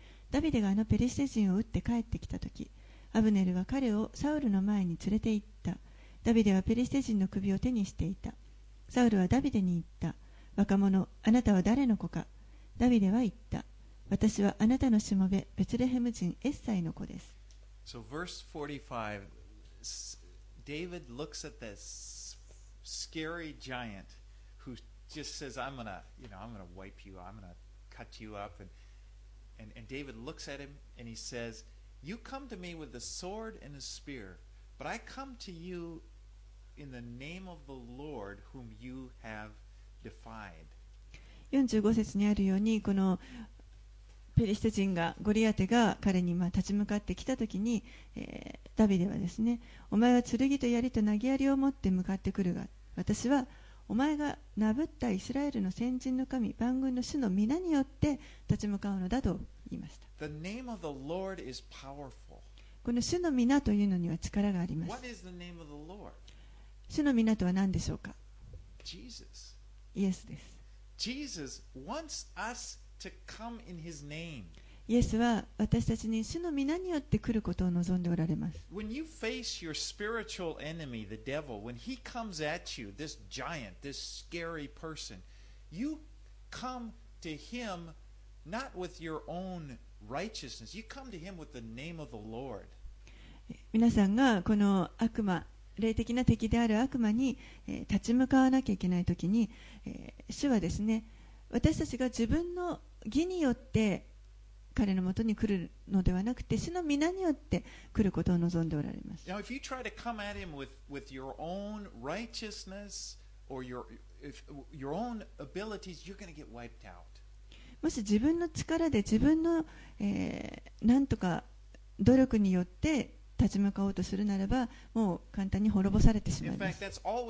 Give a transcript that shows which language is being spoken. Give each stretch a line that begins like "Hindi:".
Japanese: ダビデがあのペリシテ人を撃って帰ってきたとき、アブネルは彼をサウルの前に連れて行った。ダビデはペリシテ人の首を手にしていた。サウルはダビデに言った。若者、あなたは誰の子か。ダビデは言った。私はあなたのしもべ、ベツレヘム人エッサイの子です。
English: So verse 45, David looks at this scary giant who just says, I'm gonna, you know, I'm gonna wipe you, I'm gonna cut you up. And David looks at him and he says, You come to me with a sword and a spear, but I come to you in the name of the Lord whom you have defied.
Japanese: 45節にあるように、このペリシテ人がゴリアテが彼にま立ち向かってきたときに、ダビデはですね、お前は剣と槍と投げ槍を持って向かってくるが、私はお前がなぶったイスラエルの先人の神、万軍の主の皆によって立ち向かうのだと言いました。
English: The name of the Lord is powerful.
Japanese: この主の皆というのには力があります。
English: What is the name of the Lord?
Japanese: 主の皆とは何でしょうか。
English: Jesus.
Japanese: イエスです。
English: Jesus wants us to come in His name.
Japanese: イエスは私たちに主の御名によって来ることを望んでおられます。
English: When you face your spiritual enemy, the devil, when he comes at you, this giant, this scary person, you come to him not with your own righteousness. You come to him with the name of the Lord.
Japanese: 皆さんがこの悪魔、霊的な敵である悪魔に立ち向かわなきゃいけないときに、主はですね、私たちが自分の義によって彼のもとに来るのではなくて、主の御名によって来ることを望んでおられます。
English: Now, if you try to come at him with your own righteousness or your own abilities, you're going to get wiped out.
Japanese: もし自分の力で自分の、なんとか努力によって立ち向かおうとするならば、もう簡単に滅ぼされてしまいます。